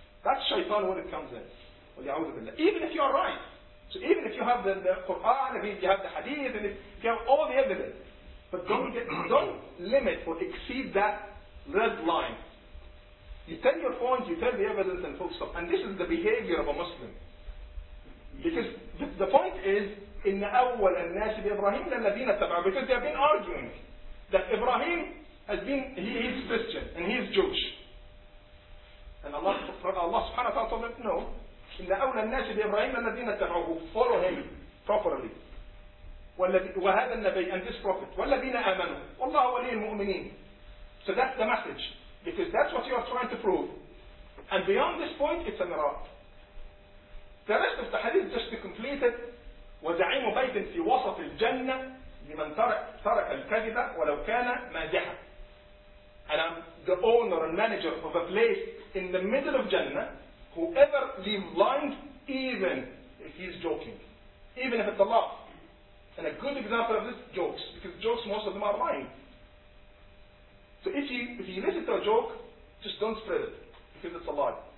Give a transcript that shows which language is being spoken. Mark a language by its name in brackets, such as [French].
[English] That's shaitan when it comes in. Even if you are right. So even if you have the Quran, if you have the hadith, and if you have all the evidence. But don't limit or exceed that red line. You tell your point, you tell the evidence, and folks stop. And this is the behavior of a Muslim. Because the point is, [Arabic] إن أول الناس بإبراهيم الذين تبعوا. [English] Because they have been arguing that Ibrahim has been, he's Christian and he's Jewish. And Allah subhanahu wa ta'ala told him, no. [Arabic] إن أول الناس بإبراهيم الذين تبعوا. [English] Follow him properly. [Arabic] وهذا النبي [English] and this prophet. [Arabic] والذين آمنوا. والله ولي المؤمنين. [English] So that's the message. Because that's what you are trying to prove. And beyond this point, it's a mirage. The rest of the hadith, just to complete it, [Arabic] وزعيم بيت في وسط الجنة لمن ترك الكذبة ولو كان مادحا. [English] And I'm the owner and manager of a place in the middle of Jannah. Whoever leaves lying, even if he's joking, even if it's a lie. And a good example of this, jokes. Because jokes, most of them are lying. So if you listen to a joke, just don't spread it, because it's a lie.